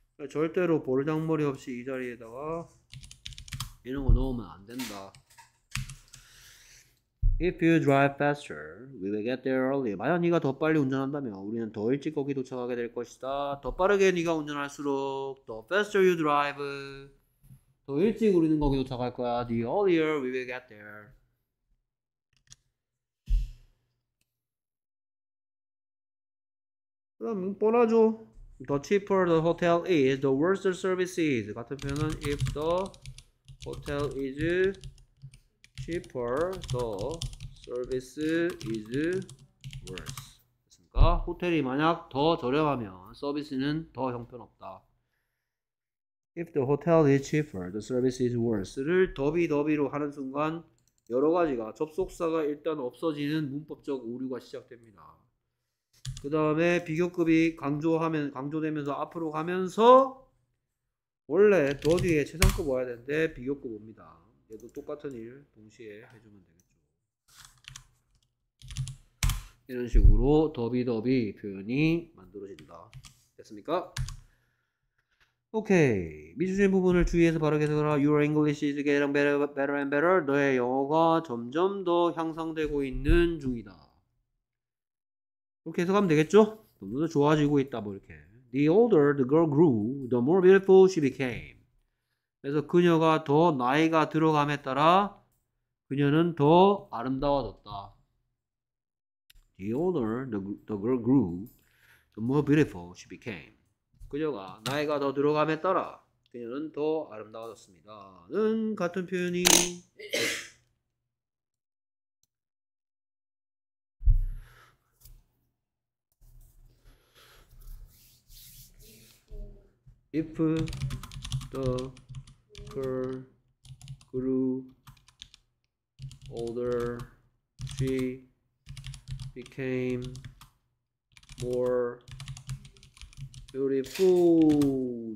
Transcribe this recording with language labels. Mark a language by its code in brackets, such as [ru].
[ko] 절대로 보리장머리 없이 이 자리에다가 이런 거 넣으면 안 된다. [en] If you drive faster, we will get there earlier. [ko] 만약 네가 더 빨리 운전한다면 우리는 더 일찍 거기 도착하게 될 것이다. 더 빠르게 네가 운전할수록 [en] the faster you drive, [ko] 더 일찍 우리는 거기 도착할 거야. [en] The earlier we will get there. [ko] 그럼 뻔하죠. [en] The cheaper the hotel is, the worse the service is. [ko] 같은 표현은 [en] if the hotel is cheaper, the service is worse. [ko] 됐습니까? 호텔이 만약 더 저렴하면 서비스는 더 형편없다. [en] If the hotel is cheaper, the service is worse [ko] 를 더비더비로 하는 순간 여러 가지가 접속사가 일단 없어지는 문법적 오류가 시작됩니다. 그 다음에 비교급이 강조하면 강조되면서 앞으로 가면서 원래 더 뒤에 최상급 와야 되는데 비교급 옵니다. 얘도 똑같은 일 동시에 해주면 되겠죠. 이런 식으로 더비더비 표현이 만들어진다. 됐습니까? 오케이. 미주진 부분을 주의해서 바르게 해석하라. [en] Your English is getting better and better. [ko] 너의 영어가 점점 더 향상되고 있는 중이다. 이렇게 해석하면 되겠죠? 너무나 좋아지고 있다 뭐 이렇게. [en] The older the girl grew, the more beautiful she became. [ko] 그래서 그녀가 더 나이가 들어감에 따라 그녀는 더 아름다워졌다. [en] The older the girl grew, the more beautiful she became. [ko] 그녀가 나이가 더 들어감에 따라 그녀는 더 아름다워졌습니다. 는 같은 표현이 [en] If the girl grew older, she became more beautiful.